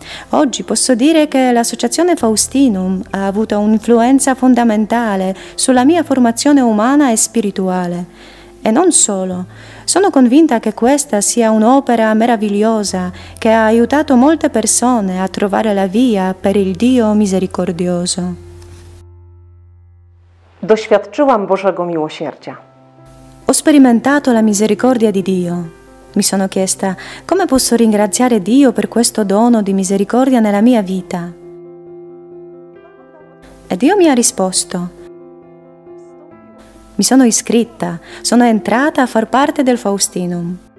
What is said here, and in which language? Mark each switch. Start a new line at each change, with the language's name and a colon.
Italian: Oggi posso dire che l'Associazione Faustinum ha avuto un'influenza fondamentale sulla mia formazione umana e spirituale. E non solo. Sono convinta che questa sia un'opera meravigliosa che ha aiutato molte persone a trovare la via per il Dio misericordioso.
Polish: Doświadczyłam Bożego miłosierdzia.
Italian: Ho sperimentato la misericordia di Dio. Mi sono chiesta, come posso ringraziare Dio per questo dono di misericordia nella mia vita? E Dio mi ha risposto. Mi sono iscritta, sono entrata a far parte del Faustinum.